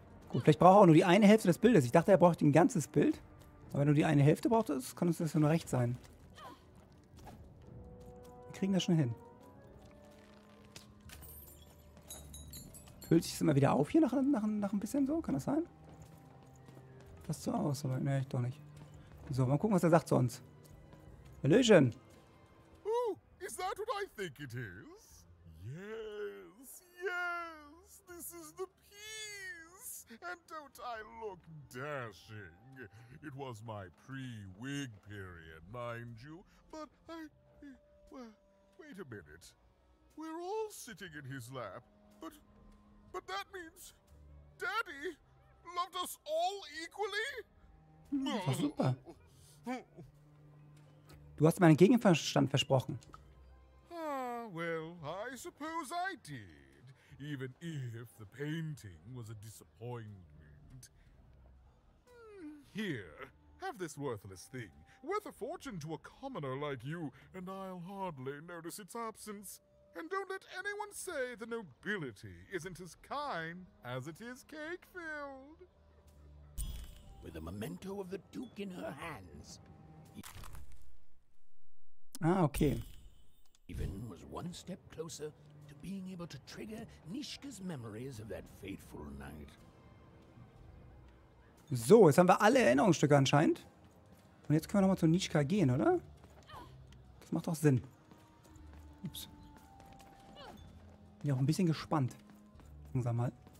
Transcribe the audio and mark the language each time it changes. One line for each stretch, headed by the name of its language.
German: Gut, vielleicht braucht er auch nur die eine Hälfte des Bildes. Ich dachte, er braucht ein ganzes Bild. Aber wenn nur die eine Hälfte braucht, kann uns das schon recht sein. Wir kriegen das schon hin. Füllt sich das immer wieder auf hier nach ein bisschen so? Kann das sein? Passt so aus, aber ne, ich doch nicht. So, mal gucken, was er sagt zu uns. Hallöchen!
English: Oh, is that what I think it is? Yes, yes, this is the piece. And don't I look dashing? It was my pre-wig period, mind you. But I... Well, wait a minute. We're all sitting in his lap, but... But that means Daddy loved us all equally?
German: Das ist super. Du hast meinen Gegenstand versprochen.
English: Ah, well, I suppose I did. Even if the painting was a disappointment. Here, have this worthless thing. Worth a fortune to a commoner like you, and I'll hardly notice its absence. And don't let anyone say the nobility isn't as kind as it is cake-filled. With a memento of the Duke in her hands. Ah, okay. Even was one step closer to being able to trigger Nishka's memories of that fateful night.
German: So, jetzt haben wir alle Erinnerungsstücke anscheinend. Und jetzt können wir nochmal zu Nishka gehen, oder? Das macht doch Sinn. Ups. Ich bin auch ein bisschen gespannt. Langsam mal.